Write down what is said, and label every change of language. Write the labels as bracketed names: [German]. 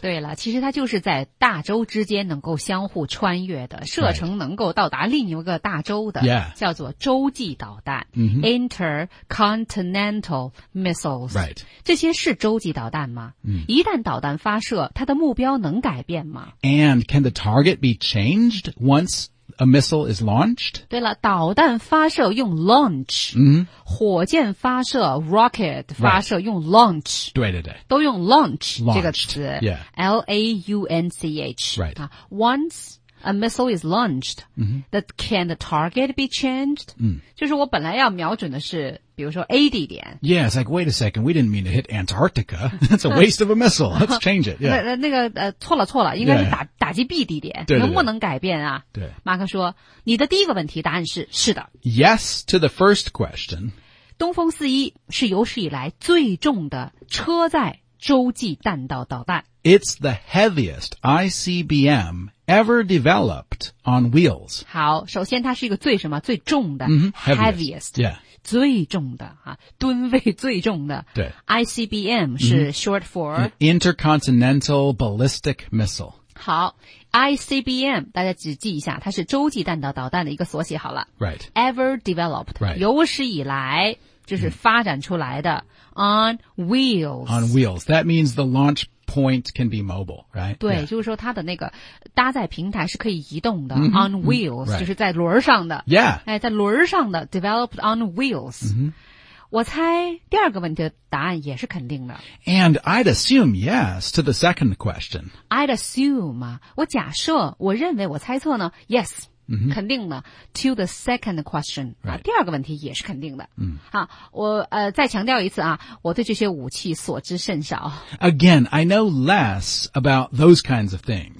[Chinese] 对了,其实它就是在大洲之间能够相互穿越的, 射程能够到达另一个大洲的, [English] yeah. [Chinese] 叫做洲际导弹, mm-hmm. [English] intercontinental missiles. Right. [Chinese] 这些是洲际导弹吗? 一旦导弹发射, 它的目标能改变吗? [English] And can the target be changed once a missile is launched? [Chinese] 对了,导弹发射用 launch, mm-hmm. 火箭发射 rocket发射用 launch, right. 对对对, 都用 launch 这个词, [English] yeah. L-A-U-N-C-H, right. Once A missile is launched. Can the target be changed? [Chinese] 就是我本来要瞄准的是比如说 A 地点。 [English] Yeah, it's like, wait a second, we didn't mean to hit Antarctica. That's a waste of a missile. Let's change it. Yeah. [Chinese] 错了错了应该是 打击 B 地点。对对对能不能改变啊对。马克说你的第一个问题答案是是的。 [English] Yes to the first question. [Chinese] 东风四一是有史以来最重的车载洲际弹道导弹。 [English] It's the heaviest ICBM ever developed on wheels. [Chinese] 好首先它是一个最什么最重的、 [English] heaviest. Yeah. [Chinese] 最重的、吨位最重的。对。 [English] ICBM 是 short for、 Intercontinental Ballistic Missile. [Chinese] 好 ,ICBM, 大家只记一下它是洲际弹道导弹的一个缩写好了。 [English] Right. Ever developed. Right. [Chinese] 有史以来就是发展出来的、 on wheels. [English] On wheels. That means the launch point can be mobile, right? [Chinese] 对、就是说它的那个搭载平台是可以移动的、 on wheels,、就是在轮上的。 [English] Yeah. [Chinese] 在轮上的 developed on wheels.、我猜第二个问题的答案也是肯定的。 [English] And I'd assume yes to the second question. [Chinese] I'd assume, 我假设我认为我猜测呢 yes. 肯定的 to the second question、 [English] right. [Chinese] 第二个问题也是肯定的、我再强调一次啊，我对这些武器所知甚少 [English] Again, I know less about those kinds of things